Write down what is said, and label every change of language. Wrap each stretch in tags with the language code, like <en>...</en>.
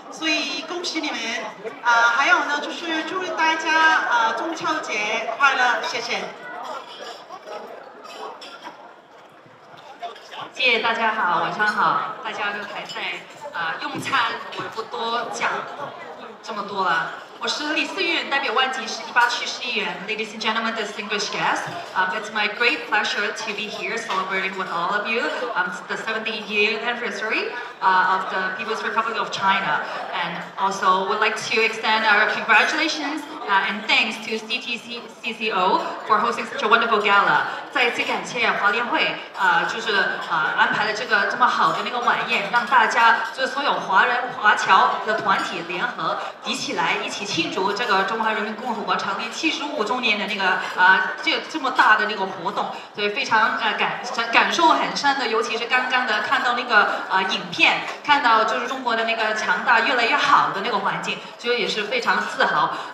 <zh>所以恭喜你们。还有呢，就是祝大家中秋节快乐，谢谢。谢谢大家好，晚上好，大家都还在用餐，我不多讲这么多了。我是李思韵，代表万吉18区市议员。</zh> <en>Ladies and gentlemen, distinguished guests, it's my great pleasure to be here celebrating with all of you the 70th year anniversary of the People's Republic of China. And also would like to extend our congratulations and thanks to CTCCO for hosting such a wonderful gala.</en> <zh>再次感谢华联会安排了这么好的那个晚宴，让大家就是所有华人华侨的团体联合集起来一起庆祝这个中华人民共和国成立75周年的那个这么大的那个活动，所以非常感受很深的，尤其是刚刚的看到那个影片，看到就是中国的那个强大越来越好的那个环境，所以也是非常自豪。</zh>